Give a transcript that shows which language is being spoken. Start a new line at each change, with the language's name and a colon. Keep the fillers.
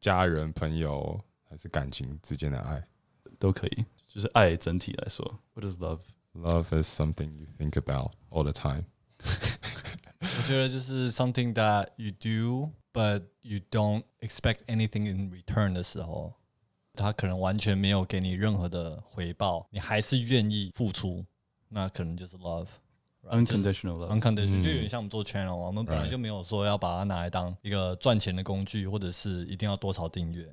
Chinese: 家人、朋友还是感情之间的爱，都可以。就是爱整体来说，
English: What is love? Love is something you think about all the time.
Chinese: 我觉得就是
English: something that you do, but you don't expect anything in return
Chinese: 的时候，他可能完全没有给你任何的回报，你还是愿意付出，那可能就是 love。
English: Right, unconditional love,
Chinese: unconditional，、嗯、就有点像我们做 channel，我们本来就没有说要把它拿来当一个赚钱的工具，或者是一定要多少订阅。